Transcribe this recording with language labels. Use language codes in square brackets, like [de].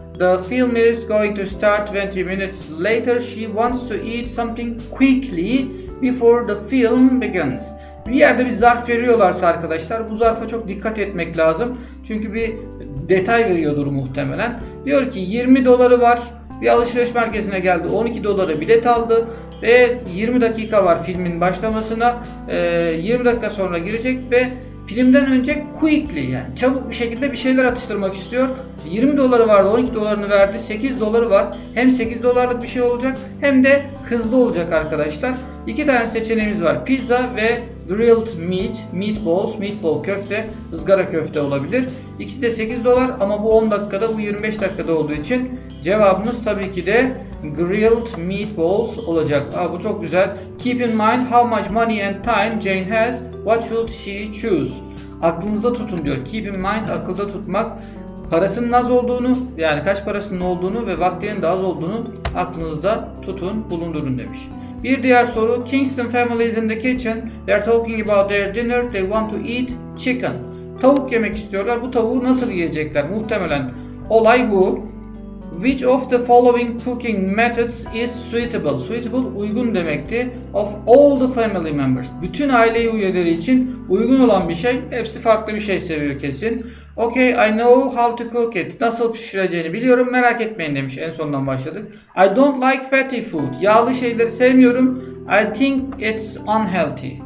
[en] The film is going to start 20 minutes later. She wants to eat something quickly before the film begins. [tr] Bir yerde bir zarf veriyorlarsa arkadaşlar, bu zarfa çok dikkat etmek lazım. Çünkü bir detay veriyordur muhtemelen. Diyor ki 20 doları var. Bir alışveriş merkezine geldi. 12 dolara bilet aldı. Ve 20 dakika var filmin başlamasına. 20 dakika sonra girecek ve filmden önce quickly, yani çabuk bir şekilde bir şeyler atıştırmak istiyor. 20 doları vardı, 12 dolarını verdi. 8 doları var. Hem 8 dolarlık bir şey olacak hem de hızlı olacak arkadaşlar. İki tane seçeneğimiz var. Pizza ve grilled meat, meatballs, meatball köfte, ızgara köfte olabilir. İkisi de 8 dolar ama bu 10 dakikada, bu 25 dakikada olduğu için cevabımız tabii ki de grilled meatballs olacak. Aa, bu çok güzel. [en] Keep in mind how much money and time Jane has. What should she choose? [tr] Aklınızda tutun diyor. [en] Keep in mind, [tr] akılda tutmak. Parasının az olduğunu, yani kaç parasının olduğunu ve vaktinin de az olduğunu aklınızda tutun, bulundurun demiş. Bir diğer soru. [en] Kingston family is in the kitchen. They are talking about their dinner. They want to eat chicken. [tr] Tavuk yemek istiyorlar. Bu tavuğu nasıl yiyecekler? Muhtemelen olay bu. [en] Which of the following cooking methods is suitable? Suitable [tr] uygun demekti. [en] Of all the family members. [tr] Bütün aile üyeleri için uygun olan bir şey. Hepsi farklı bir şey seviyor kesin. [en] Okay, I know how to cook it. [tr] Nasıl pişireceğini biliyorum. Merak etmeyin demiş. En sondan başladık. [en] I don't like fatty food. [tr] Yağlı şeyleri sevmiyorum. [en] I think it's unhealthy.